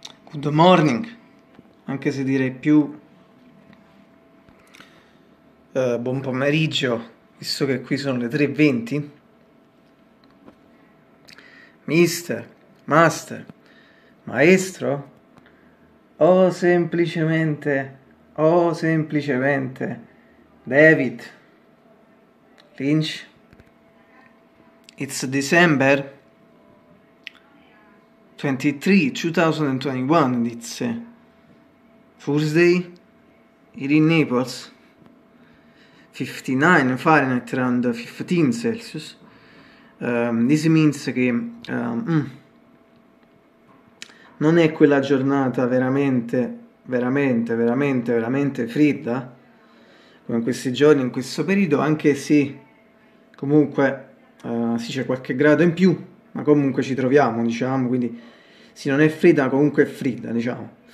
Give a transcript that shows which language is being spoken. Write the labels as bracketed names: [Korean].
[English] Good morning, [Italian] anche se direi più buon pomeriggio, visto che qui sono le 3:20. [English] Mister, Master, Maestro, [Italian] o semplicemente, [English] David, Lynch, it's December 23, 2021, it's Thursday, here in Naples, 59 Fahrenheit, around 15 Celsius. This means [Italian] che non è quella giornata veramente fredda, come in questi giorni, in questo periodo, anche se comunque sì, c'è qualche grado in più, ma comunque ci troviamo, diciamo, quindi sì, non è fredda, comunque è fredda, diciamo.